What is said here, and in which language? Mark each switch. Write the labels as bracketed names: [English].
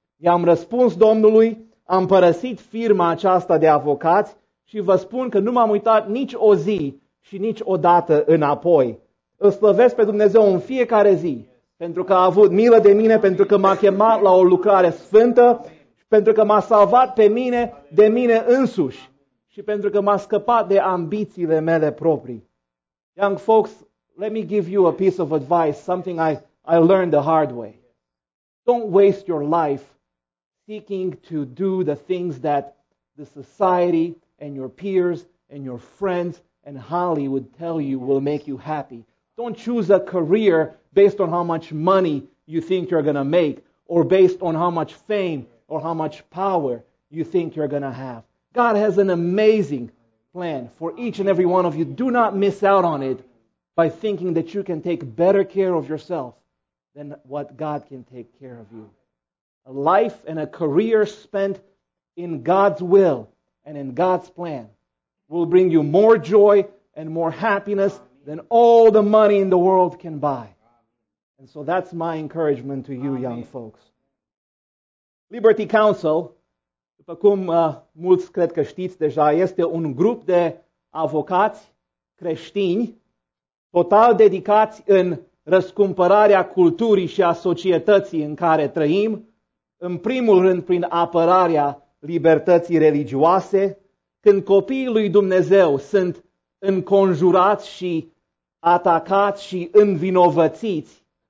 [Romanian] I-am răspuns Domnului, am părăsit firma aceasta de avocați și vă spun că nu m-am uitat nici o zi și nici o dată înapoi. Îl slăvesc pe Dumnezeu în fiecare zi pentru că a avut milă de mine, pentru că m-a chemat la o lucrare sfântă, pentru că m-a salvat pe mine de mine însuși și pentru că m-a scăpat de ambițiile mele proprii. [English] Young folks, let me give you a piece of advice, something I learned the hard way. Don't waste your life seeking to do the things that the society and your peers and your friends and Hollywood tell you will make you happy. Don't choose a career based on how much money you think you're going to make or based on how much fame or how much power you think you're going to have. God has an amazing plan for each and every one of you. Do not miss out on it by thinking that you can take better care of yourself than what God can take care of you. A life and a career spent in God's will and in God's plan will bring you more joy and more happiness than all the money in the world can buy. And so that's my encouragement to you, young folks. [Romanian] Liberty Counsel, după cum mulți cred că știți deja, este un grup de avocați creștini total dedicați în răscumpărarea culturii și a societății în care trăim, în primul rând prin apărarea libertății religioase, când copiii lui Dumnezeu sunt înconjurați și atacați și învinovățiți,